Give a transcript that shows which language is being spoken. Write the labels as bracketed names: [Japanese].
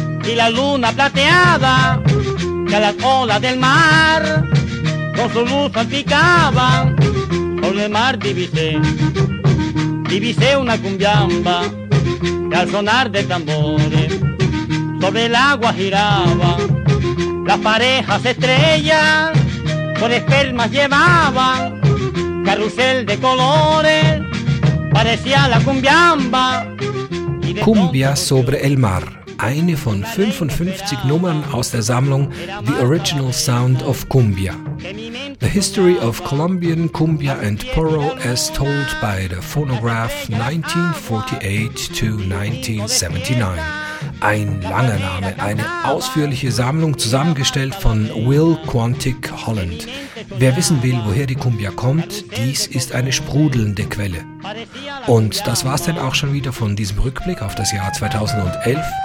[Spanish] y la luna plateada que a la cola del mar con su luz salpicaba por el mar divisé una cumbiamba que al sonar de tambores sobre el agua giraba Las parejas estrellas con espelmas llevaba carrusel de colores, parecía la cumbiamba. [German] Cumbia sobre el mar, eine von 55 Nummern aus der Sammlung The Original Sound of Cumbia. [English] The History of Colombian Cumbia and Porro as Told by the Phonograph 1948 to 1979. [German] Ein langer Name, eine ausführliche Sammlung zusammengestellt von Will Quantic Holland. Wer wissen will, woher die Cumbia kommt, dies ist eine sprudelnde Quelle. Und das war's dann auch schon wieder von diesem Rückblick auf das Jahr 2011.